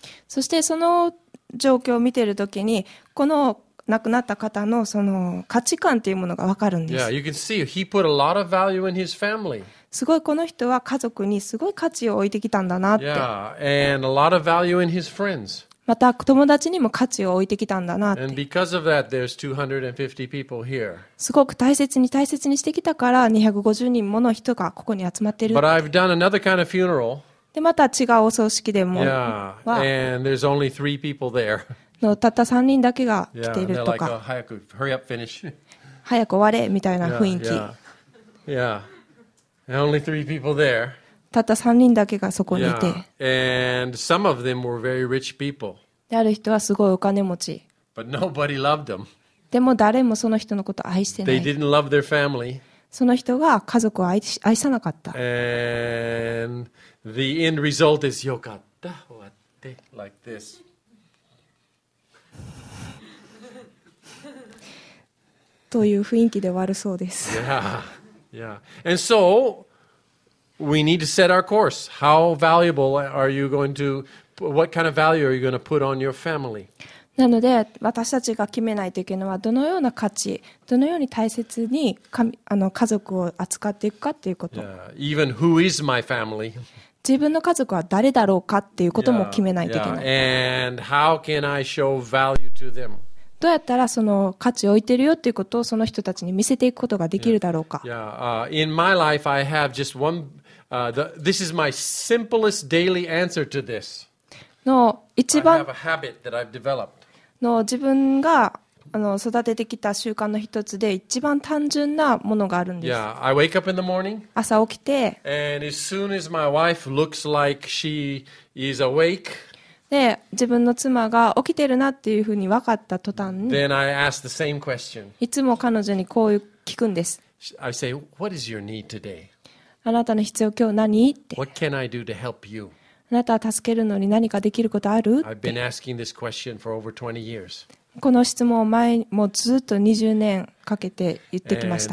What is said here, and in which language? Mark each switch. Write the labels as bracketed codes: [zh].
[ja] そしてその状況を見てるときにこの亡くなった方のその価値観というものが分かるんです。 [en] Yeah, you can see he put a lot of value in his family. [ja] すごいこの人は家族にすごい価値を置いてきたんだなって。 [en] Yeah, and a lot of value in his friends. [ja] また友達にも価値を置いてきたんだなって。 [en] And because of that, there's 250 people here. [ja] すごく大切に大切にしてきたから250人もの人がここに集まってるって。 [en] But I've done another kind of funeral. [ja] でまた違うお葬式でも。 [en] Yeah, and there's only three people there. [ja] のたった3人だけが来ているとか、 [en] yeah, like, oh, [ja] 早く終われみたいな雰囲気。 [en] Yeah, only three people there. [ja] たった3人だけがそこにいて。 [en] Yeah. And some of them were very rich people. [ja] である人はすごいお金持ち。 [en] But nobody loved them. [ja] でも誰もその人のことを愛してない。 [en] They didn't love their family. [ja] その人が家族を愛さなかった。 [en] And the end result is [ja] よかった終わって [en] like this. [ja] という雰囲気で悪そうです。 [en] Yeah, yeah. And so we need to set our course. How valuable are you going to? What kind of value are you going to put on your family? [ja] なので私たちが決めないといけないのはどのような価値、どのように大切に家族を扱っていくかということ。 [en] Yeah. Even who is my family? [ja] 自分の家族は誰だろうかっていうことも決めないといけない。 [en] Yeah, And how can I show value to them? [ja] どうやったらその価値を置いてるよっていうことをその人たちに見せていくことができるだろうか。 [en] In my life, I have just one. This is my simplest daily answer to this. [ja] の一番。 [en] I have a habit that I've developed. [ja] の自分が育ててきた習慣の一つで一番単純なものがあるんです。 [en] Yeah, I wake up in the morning. [ja] 朝起きて。 [en] And as soon as my wife looks like she is awake. [ja] で自分の妻が起きてるなっていうふうに分かった途端に [en] Then I ask the same question. [ja] いつも彼女にこう聞くんです。 [en] I say, What is your need today? [ja] あなたの必要今日何って。 [en] What can I do to help you? [ja] あなたを助けるのに何かできることあるって。 [en] I've been asking this question for over 20 years. [ja] この質問を前もずっと20年かけて言ってきました。